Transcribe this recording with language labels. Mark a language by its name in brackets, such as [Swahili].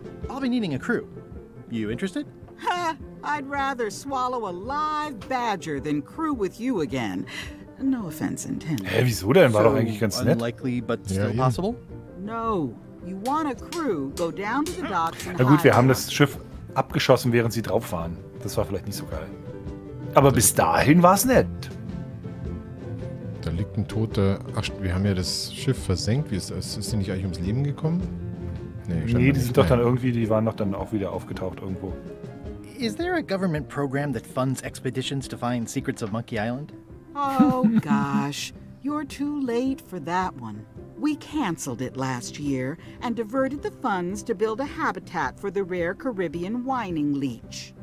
[English] I'll be needing a crew. You interested? Ha! I'd rather swallow a live badger than crew with you again. No offense intended. [German] Hä, wieso denn? War doch eigentlich ganz nett. [English] Unlikely, but still possible? No. You want a crew, go down to the docks and hide. [German] Na gut, wir haben das Schiff... abgeschossen, während sie drauf waren. Das war vielleicht nicht so geil. Aber bis dahin war es nett. Da liegt ein toter. Ach, wir haben ja das Schiff versenkt. Wie ist das? Ist die nicht eigentlich ums Leben gekommen? Nee, die sind doch dann irgendwie, die waren doch dann auch wieder aufgetaucht irgendwo. [English] Is there a government program that funds expeditions to find secrets of Monkey Island? Oh gosh, you're too late for that one. We canceled it last year and diverted the funds to build a habitat for the rare Caribbean whining leech.